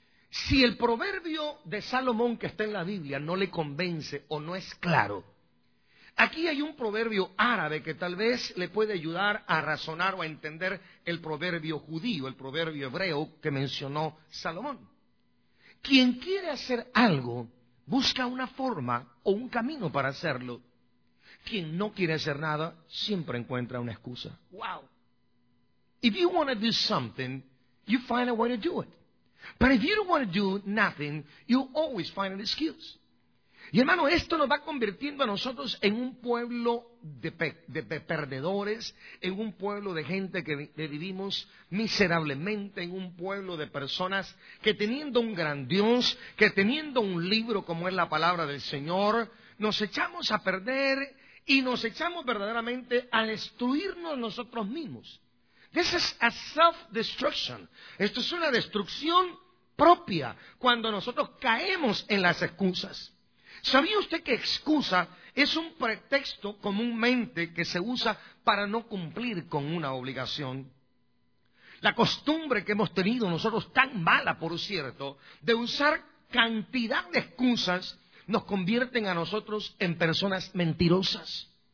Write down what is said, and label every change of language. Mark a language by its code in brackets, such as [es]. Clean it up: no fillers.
[es] Si el proverbio de Salomón que está en la Biblia no le convence o no es claro, aquí hay un proverbio árabe que tal vez le puede ayudar a razonar o a entender el proverbio judío, el proverbio hebreo que mencionó Salomón. Quien quiere hacer algo, busca una forma o un camino para hacerlo. Quien no quiere hacer nada, siempre encuentra una excusa. ¡Wow! [en] If you want to do something, you find a way to do it. But if you don't want to do nothing, you always find an excuse. [es] Y hermano, esto nos va convirtiendo a nosotros en un pueblo de perdedores, en un pueblo de gente que vivimos miserablemente, en un pueblo de personas que teniendo un gran Dios, que teniendo un libro como es la palabra del Señor, nos echamos a perder y nos echamos verdaderamente a destruirnos nosotros mismos. [en] This is a self-destruction. [es] Esto es una destrucción propia cuando nosotros caemos en las excusas. ¿Sabía usted que excusa es un pretexto comúnmente que se usa para no cumplir con una obligación? La costumbre que hemos tenido nosotros, tan mala por cierto, de usar cantidad de excusas, nos convierten a nosotros en personas mentirosas.